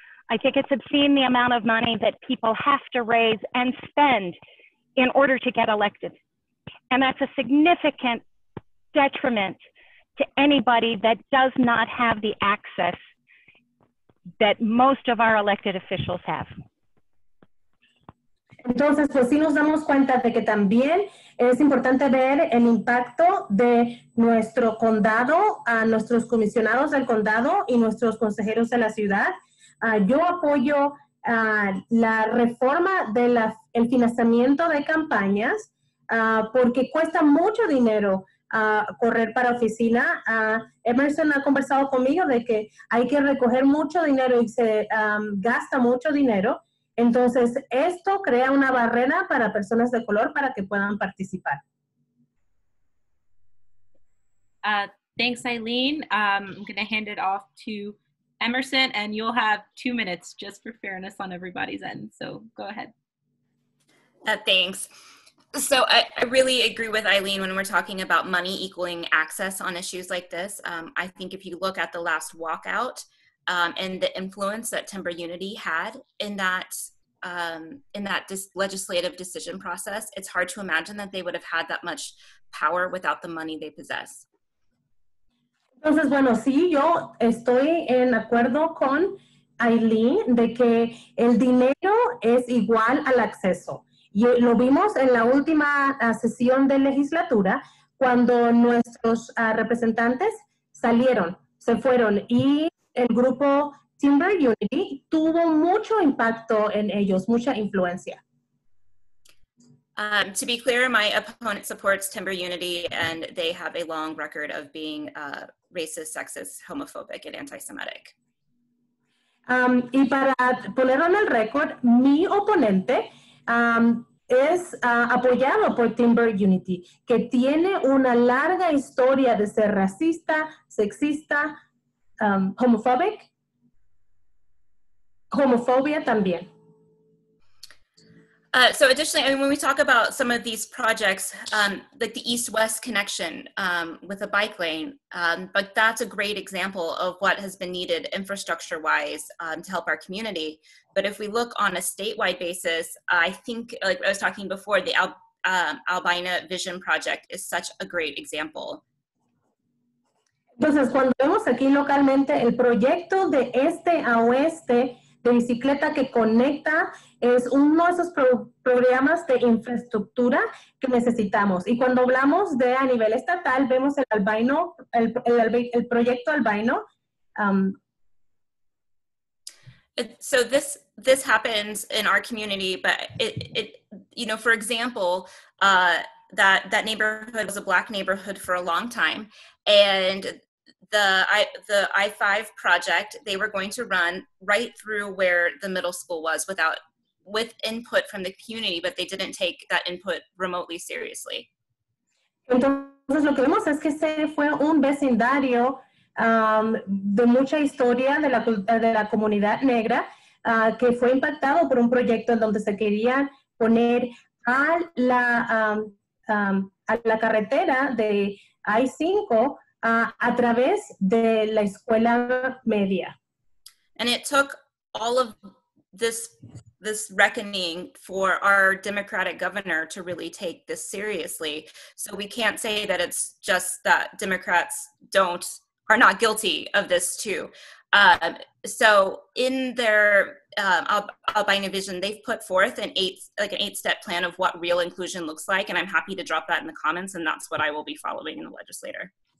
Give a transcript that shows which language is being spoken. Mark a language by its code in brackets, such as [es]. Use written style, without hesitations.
[en] I think it's obscene the amount of money that people have to raise and spend in order to get elected. And that's a significant detriment to anybody that does not have the access that most of our elected officials have. [es] Entonces, pues sí nos damos cuenta de que también es importante ver el impacto de nuestro condado a nuestros comisionados del condado y nuestros consejeros de la ciudad. Yo apoyo la reforma del financiamiento de campañas porque cuesta mucho dinero correr para oficina. Emerson ha conversado conmigo de que hay que recoger mucho dinero y se gasta mucho dinero. Entonces, esto crea una barrera para personas de color para que puedan participar. [en] Thanks, Eileen. I'm going to hand it off to Emerson, and you'll have 2 minutes just for fairness on everybody's end. So, go ahead. Thanks. So I really agree with Eileen when we're talking about money equaling access on issues like this. I think if you look at the last walkout and the influence that Timber Unity had in that legislative decision process, it's hard to imagine that they would have had that much power without the money they possess. [es] Entonces, bueno, sí, yo estoy en acuerdo con Eileen de que el dinero es igual al acceso. Y lo vimos en la última sesión de legislatura cuando nuestros representantes salieron, se fueron, y el grupo Timber Unity tuvo mucho impacto en ellos, mucha influencia. [en] To be clear, my opponent supports Timber Unity and they have a long record of being racist, sexist, homophobic, and anti-Semitic. [es] Y para ponerlo en el récord, mi oponente es apoyado por Timber Unity, que tiene una larga historia de ser racista, sexista, homofobia también. [en] So additionally, I mean, when we talk about some of these projects, like the east-west connection with a bike lane, but that's a great example of what has been needed infrastructure-wise to help our community. But if we look on a statewide basis, I think, like I was talking before, the Albina Vision Project is such a great example. [es] Entonces, cuando vemos aquí localmente el proyecto de este a oeste de bicicleta que conecta es uno de esos programas de infraestructura que necesitamos. Y cuando hablamos de a nivel estatal, vemos el albino, el proyecto albino. [en] So this happens in our community, but it you know, for example, that neighborhood was a Black neighborhood for a long time, and the I-5 project, they were going to run right through where the middle school was with input from the community, but they didn't take that input remotely seriously. [es] Entonces, lo que vemos es que se fue un vecindario de mucha historia de la comunidad negra que fue impactado por un proyecto en donde se quería poner a la carretera de I-5 a través de la escuela media. [en] And it took all of this reckoning for our Democratic governor to really take this seriously. So we can't say that it's just that Democrats are not guilty of this too. So in their albino vision, they've put forth an eight-step plan of what real inclusion looks like, and I'm happy to drop that in the comments, and that's what I will be following in the legislature.